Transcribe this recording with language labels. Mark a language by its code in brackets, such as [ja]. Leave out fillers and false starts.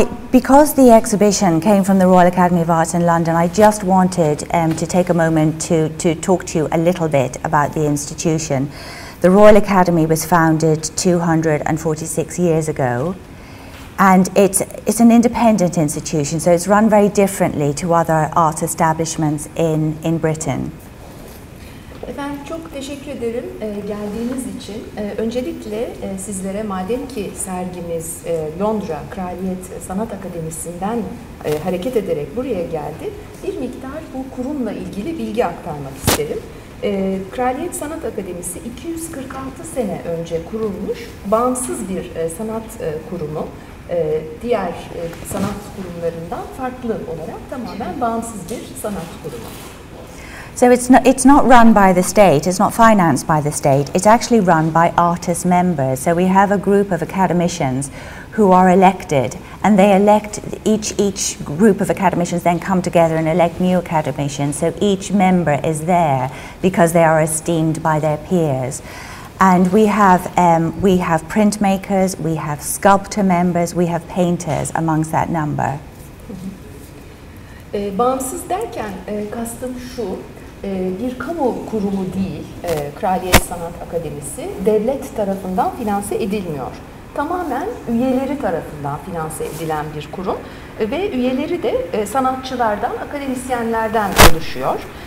[en] Because the exhibition came from the Royal Academy of Arts in London, I just wanted to take a moment to talk to you a little bit about the institution. The Royal Academy was founded 246 years ago. And it's an independent institution, so it's run very differently to other art establishments in Britain. [tr] Efendim, çok teşekkür ederim geldiğiniz için. Öncelikle sizlere, madem ki sergimiz Londra Kraliyet Sanat Akademisi'nden hareket ederek buraya geldi, bir miktar bu kurumla ilgili bilgi aktarmak isterim. Kraliyet Sanat Akademisi 246 sene önce kurulmuş, bağımsız bir sanat kurumu. Diğer sanat kurumlarından farklı olarak tamamen bağımsız bir sanat kurumu. [en] So it's not run by the state, it's not financed by the state, it's actually run by artist members. So we have a group of academicians who are elected, and they elect, each group of academicians then come together and elect new academicians. So each member is there because they are esteemed by their peers. And we have printmakers, we have sculptor members, we have painters amongst that number. [tr] Bağımsız derken kastım şu, bir kamu kurumu değil Kraliyet Sanat Akademisi, devlet tarafından finanse edilmiyor. Tamamen üyeleri tarafından finanse edilen bir kurum ve üyeleri de sanatçılardan, akademisyenlerden oluşuyor.